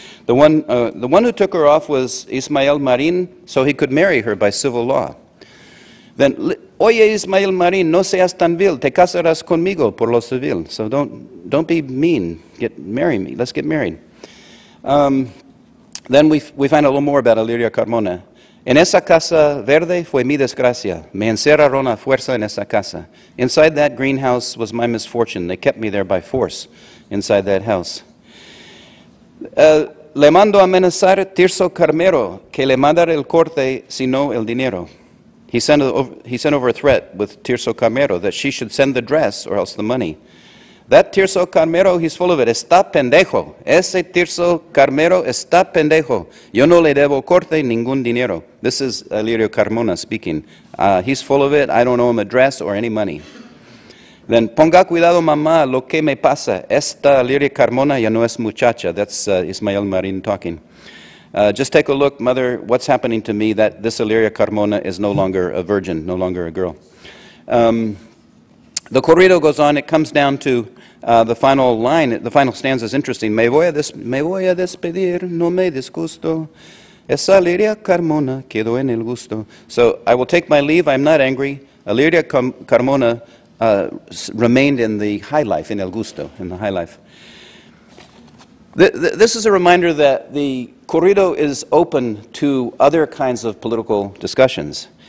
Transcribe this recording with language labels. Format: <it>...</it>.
<en>The one who took her off was Ismael Marín, so he could marry her by civil law. Then,</en> <es>oye, Ismael Marín, no seas tan vil, te casarás conmigo por lo civil.</es> <en>So don't be mean, marry me, let's get married. Then we find a little more about Eliria Carmona.</en> <es>En esa casa verde fue mi desgracia, me encerraron a fuerza en esa casa.</es> <en>Inside that greenhouse was my misfortune, they kept me there by force, inside that house.</en> <es>Le mando amenazar Tirso Carmero, que le mandar el corte, sino el dinero.</es> <en>He sent over a threat with Tirso Carmero that she should send the dress or else the money. That Tirso Carmero, he's full of it.</en> <es>Está pendejo. Ese Tirso Carmero está pendejo. Yo no le debo corte ningún dinero.</es> <en>This is Elirio Carmona speaking. He's full of it. I don't owe him a dress or any money. Then,</en> <es>ponga cuidado, mamá, lo que me pasa. Esta Elirio Carmona ya no es muchacha.</es> <en>That's Ismael Marín talking. Just take a look, mother, what's happening to me, that this Eliria Carmona is no longer a virgin, no longer a girl. The corrido goes on, it comes down to the final line, the final stanza is interesting.</en> <es>Me voy a despedir, no me disgusto, esa Eliria Carmona quedó en el gusto.</es> <en>So I will take my leave, I'm not angry. Eliria Carmona remained in the high life, in el gusto, in the high life. This is a reminder that the corrido is open to other kinds of political discussions.</en>